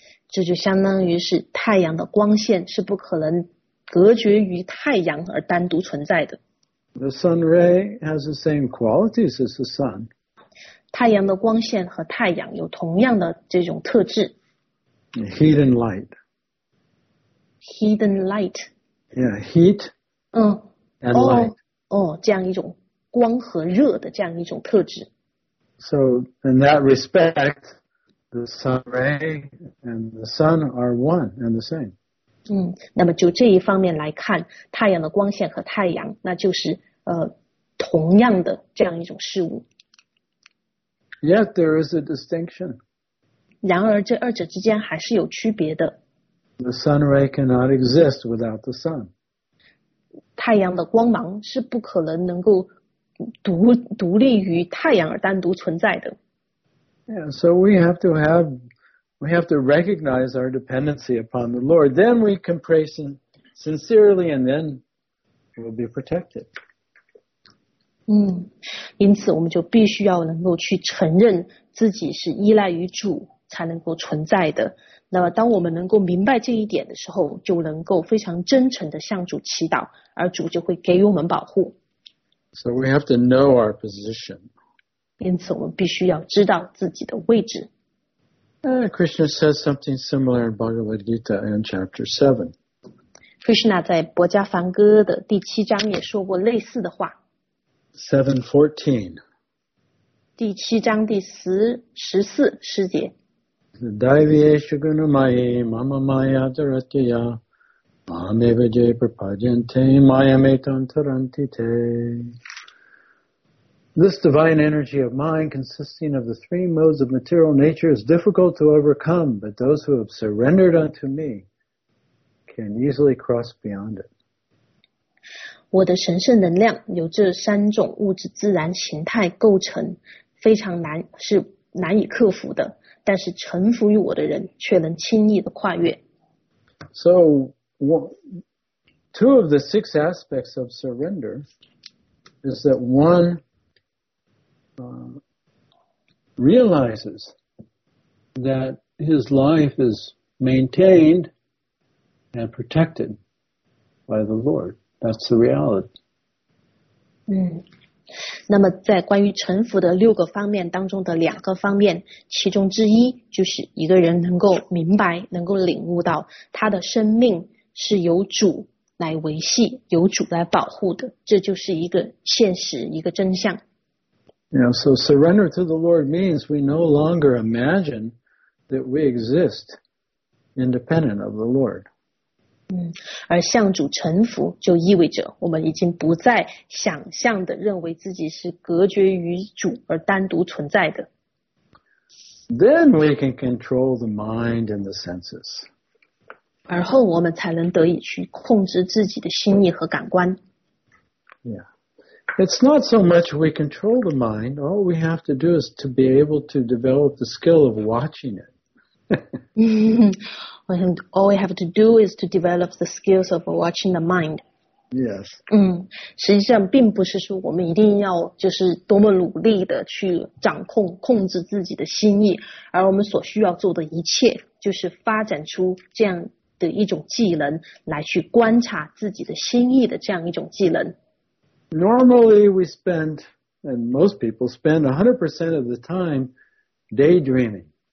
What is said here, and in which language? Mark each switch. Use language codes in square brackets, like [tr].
[zh] 这就相当于是太阳的光线是不可能隔绝于太阳而单独存在的。 [en] The sun ray has the same qualities as the sun. [zh] 太阳的光线和太阳有同样的这种特质。 [en] Heat and light. Heat and light. Yeah, heat. And light. [zh] 这样一种光和热的这样一种特质。 [en] So in that respect, the sun ray and the sun are one and the same. [zh] 那么就这一方面来看，太阳的光线和太阳，那就是同样的这样一种事物。 [en] Yet there is a distinction. [zh] 然而这二者之间还是有区别的。 [en] The sun ray cannot exist without the sun. [zh] 太阳的光芒是不可能能够独立于太阳而单独存在的。 [en] Yeah, so we have to recognize our dependency upon the Lord. Then we can pray sincerely and then we'll be protected. [zh] 因此我们就必须要能够去承认自己是依赖于主才能够存在的。那么当我们能够明白这一点的时候，就能够非常真诚地向主祈祷，而主就会给我们保护。 [en] So we have to know our position. [zh] 因此我们必须要知道自己的位置。 [en] Krishna says something similar in Bhagavad Gita in chapter 7. [zh] Krishna 在《薄伽梵歌》的第七章也说过类似的话。 [en] 7:14. [zh] 第七章第十四师节。 [sa] Daivya shugunu maye mama maya daratya mame vaje prapajante maya metantarantite. [en] This divine energy of mind, consisting of the three modes of material nature, is difficult to overcome, but those who have surrendered unto me can easily cross beyond it. [zh] 我的神圣能量由这三种物质自然形态构成，非常难，是难以克服的，但是臣服于我的人却能轻易的跨越。 [en] So, two of the six aspects of surrender is that one, realizes that his life is maintained and protected by the Lord. That's the reality. [zh] 那么在关于臣服的六个方面当中的两个方面，其中之一就是一个人能够明白，能够领悟到他的生命是由主来维系，由主来保护的，这就是一个现实，一个真相。 [en] Yeah, so surrender to the Lord means we no longer imagine that we exist independent of the Lord. [zh] 而向主臣服就意味着我们已经不再想象的认为自己是隔绝于主而单独存在的。 [en] Then we can control the mind and the senses. [zh] 而后我们才能得以去控制自己的心意和感官。 [en] Yeah. It's not so much we control the mind. All we have to do is to be able to develop the skill of watching it. All we have to do is to develop the skills of watching the mind. Yes. [zh] 实际上并不是说我们一定要就是多么努力的去掌控控制自己的心意，而我们所需要做的一切就是发展出这样的一种技能，来去观察自己的心意的这样一种技能。 [en] Normally, we spend and most people spend 100% of the time daydreaming.